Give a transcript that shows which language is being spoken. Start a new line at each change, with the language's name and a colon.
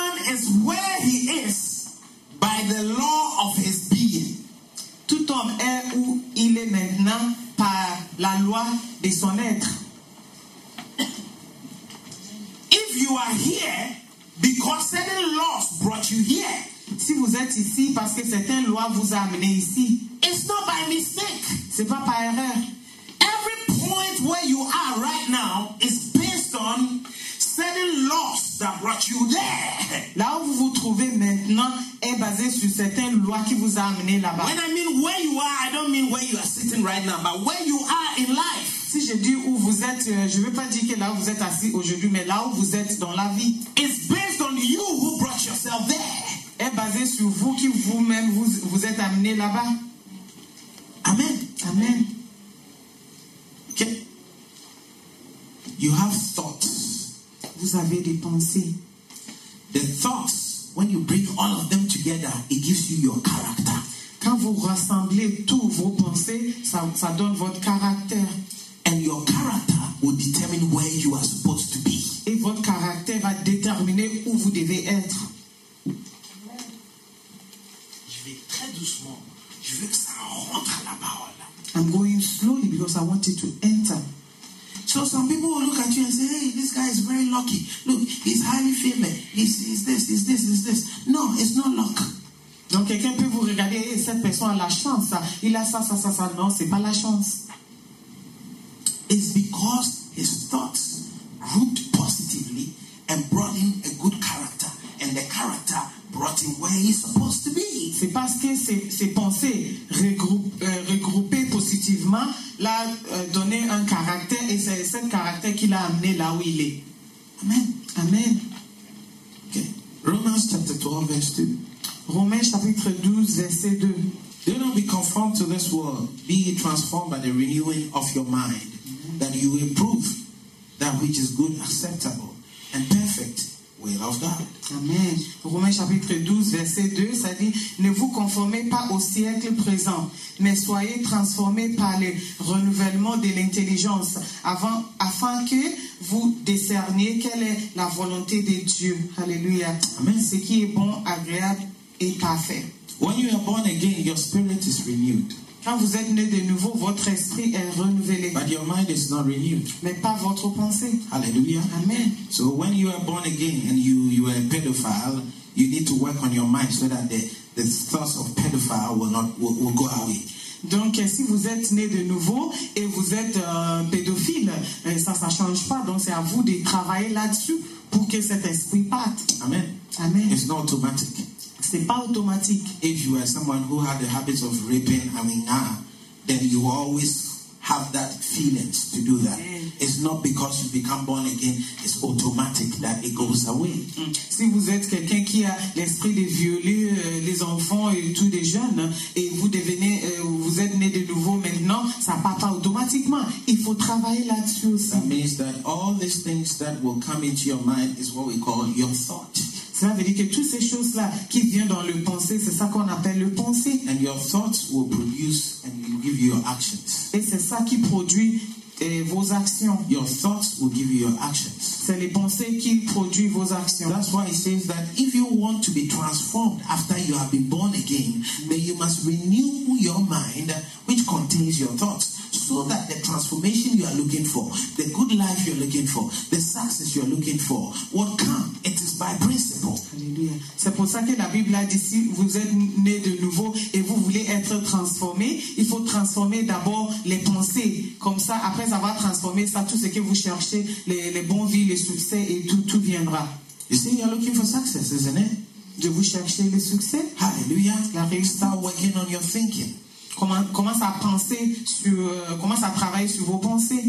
English: Is where he is by the law of his being.
French: Tout homme est où il est maintenant par la loi de son être.
English: If you are here because certain laws brought you here,
French: si vous êtes ici parce que certaines lois vous a amené ici,
English: it's not by mistake.
French: C'est pas par erreur.
English: Every point where you are right now is based on certain laws that brought you there.
French: Là où vous vous trouvez maintenant est basé sur certaines lois qui vous a amené là-bas.
English: When I mean where you are, I don't mean where you are sitting right now, but where you are in life.
French: Si je dis où vous êtes, je ne veux pas dire que là où vous êtes assis aujourd'hui, mais là où vous êtes dans la vie.
English: It's based on you who brought yourself there.
French: Est basé sur vous qui vous-même vous êtes amené là-bas. Amen. Amen.
English: You have thoughts.
French: Vous avez des pensées.
English: The thoughts, when you bring all of them together, it gives you your character.
French: Quand vous rassemblez tous vos pensées, ça donne votre caractère.
English: And your character will determine where you are supposed to be.
French: Et votre caractère va déterminer où vous devez être. Je vais très doucement. Je veux que ça rentre à la parole.
English: I'm going slowly because I want it to enter. So some people will look at you and say, hey, this guy is very lucky. Look, he's highly famous. He's this. No, it's not luck.
French: Donc quelqu'un peut vous regarder, hey, cette personne a la chance. Ça. Il a ça. Non, c'est pas la chance.
English: It's because his thoughts grouped positively and brought him a good character. And the character brought him where he's supposed to be.
French: C'est parce que ses pensées regroupées positivement l'a donné un caractère et c'est ce caractère qui l'a amené là où il est. Amen. Amen.
English: Okay. Romans chapter 12 verse 2.
French: Romains chapitre 12 verset 2.
English: Do not be conformed to this world. Be transformed by the renewing of your mind, that you will prove that which is good, acceptable, and perfect. Amen.
French: Romains chapitre 12 verset 2, ça dit ne vous conformez pas au siècle présent, mais soyez transformés par le renouvellement de l'intelligence afin que vous discerniez quelle est la volonté de Dieu. Alléluia. Amen. Ce qui est bon, agréable et parfait.
English: When you are born again, your spirit is renewed.
French: Quand vous êtes né de nouveau, votre esprit est renouvelé.
English: But your mind is not renewed.
French: Mais pas votre pensée. Alléluia. Amen.
English: So when you are born again and you are a pedophile, you need to work on your mind so that the thoughts of pedophile will go away.
French: Donc si vous êtes né de nouveau et vous êtes pédophile, ça change pas. Donc c'est à vous de travailler là-dessus pour que cet esprit parte. Amen. Amen.
English: It's not automatic.
French: C'est pas automatique.
English: If you are someone who had the habit of raping, I mean now, then you always have that feeling to do that. Mm. It's not because you become born again, it's automatic that it goes away. Mm.
French: Si vous êtes quelqu'un qui a l'esprit de violer les enfants et tous les jeunes, et vous êtes né de nouveau maintenant, ça part pas automatiquement. Il faut travailler là-dessus aussi.
English: That means that all these things that will come into your mind is what we call your thought.
French: Ça veut dire que toutes ces choses-là qui viennent dans le penser, c'est ça qu'on appelle le penser.
English: And your thoughts will produce and will give you your actions.
French: Et c'est ça qui produit vos actions.
English: Your thoughts will give you your actions.
French: C'est les pensées qui produisent vos actions.
English: That's why it says that if you want to be transformed after you have been born again, then you must renew your mind, which contains your thoughts, so that the transformation you are looking for, the good life you are looking for, the success you are looking for, what comes, it is by principle. Alléluia.
French: C'est pour ça que la Bible a dit, si vous êtes né de nouveau et vous voulez être transformé, il faut transformer d'abord les pensées. Comme ça, après avoir transformé ça, tout ce que vous cherchez, les bons vies, les succès et tout viendra.
English: You see, you are looking for success, isn't it?
French: De vous chercher le succès. Alléluia. La réussite.
English: Start working on your thinking.
French: Commence à penser sur, commence à travailler sur vos pensées.